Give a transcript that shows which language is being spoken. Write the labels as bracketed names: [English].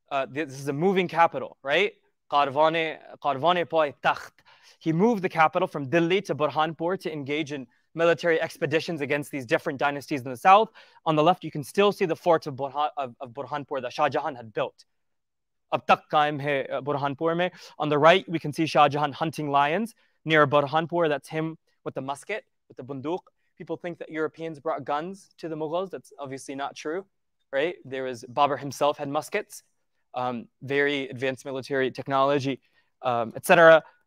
[English] This is a moving capital, right? Qarvane Poy Takht. He moved the capital from Delhi to Burhanpur to engage in military expeditions against these different dynasties in the south. On the left, you can still see the fort of Burhanpur that Shah Jahan had built. [Urdu] اب تک قائم ہے برہانپور میں. [English] On the right, we can see Shah Jahan hunting lions near Burhanpur. That's him with the musket, with the bunduk. People think that Europeans brought guns to the Mughals. That's obviously not true, right? There was Babur himself had muskets, very advanced military technology, etc.